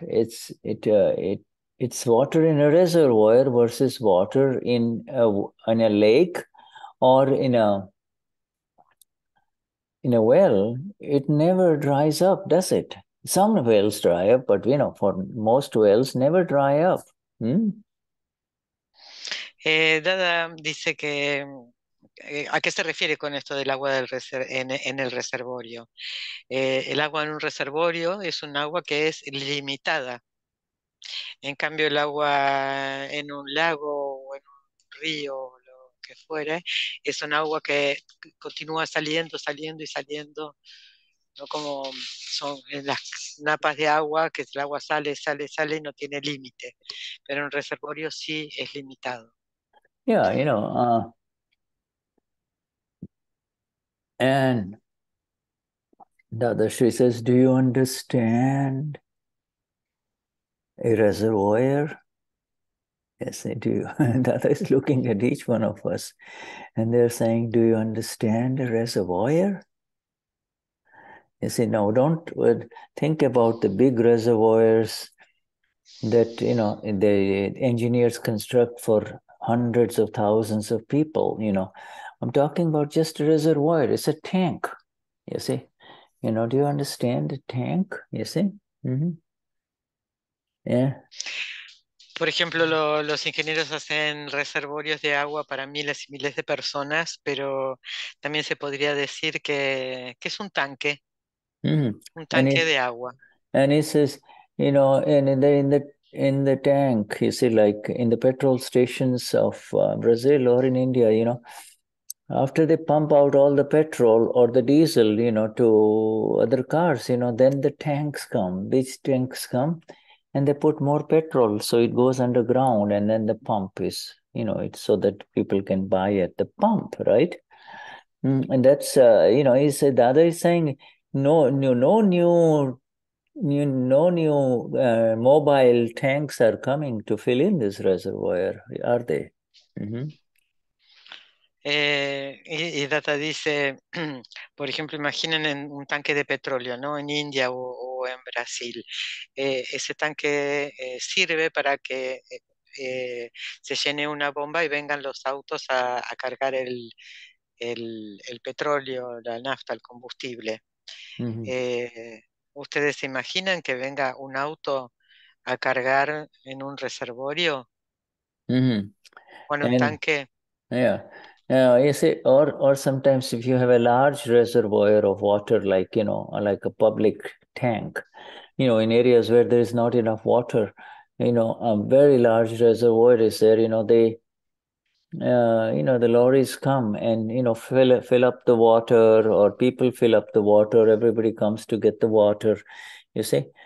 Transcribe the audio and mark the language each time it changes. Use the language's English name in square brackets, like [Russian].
[English] It's water in a reservoir versus water in a lake or in a well. It never dries up, does it? Some wells dry up, but you know, for most wells, never dry up. Hmm? [Spanish] Dada dice que. ¿A qué se refiere con esto del agua del en el reservorio? El agua en un reservorio es un agua que es limitada. En cambio, el agua en un lago o en un río o lo que fuere, es un agua que continúa saliendo, saliendo y saliendo, no como son en las napas de agua, que el agua sale, sale, sale y no tiene límite. Pero en un reservorio sí es limitado. [English] Yeah, you know, and Dadashri says, do you understand a reservoir? Yes, I do. Dada is looking at each one of us and they're saying, do you understand a reservoir? You see, now don't think about the big reservoirs that, you know, the engineers construct for hundreds of thousands of people, you know. I'm talking about just a reservoir. It's a tank, you see. You know, do you understand a tank, you see? Mm-hmm. Yeah. [Spanish] Por ejemplo, los ingenieros hacen reservorios de agua para miles y miles de personas, pero también se podría decir que es un tanque de agua. [English] And it says, you know, in the tank, you see, like in the petrol stations of Brazil or in India, you know, after they pump out all the petrol or the diesel, you know, to other cars, you know, then the tanks come. These tanks come. And they put more petrol, so it goes underground, and then the pump is, you know, it's so that people can buy at the pump, right? And that's, you know, he said, the other is saying, no new mobile tanks are coming to fill in this reservoir, are they? Mm-hmm. [Spanish] Y Data dice, por ejemplo, imaginen en un tanque de petróleo, ¿no? En India o en Brasil. Ese tanque sirve para que se llene una bomba y vengan los autos a cargar el petróleo, la nafta, el combustible. Uh-huh. ¿Ustedes se imaginan que venga un auto a cargar en un reservorio? Uh-huh. ¿O en un tanque? Yeah. [English] You see, or sometimes if you have a large reservoir of water, like, you know, like a public tank, you know, in areas where there is not enough water, you know, a very large reservoir is there, you know, they, you know, the lorries come and, you know, fill up the water, or people fill up the water, everybody comes to get the water, you see.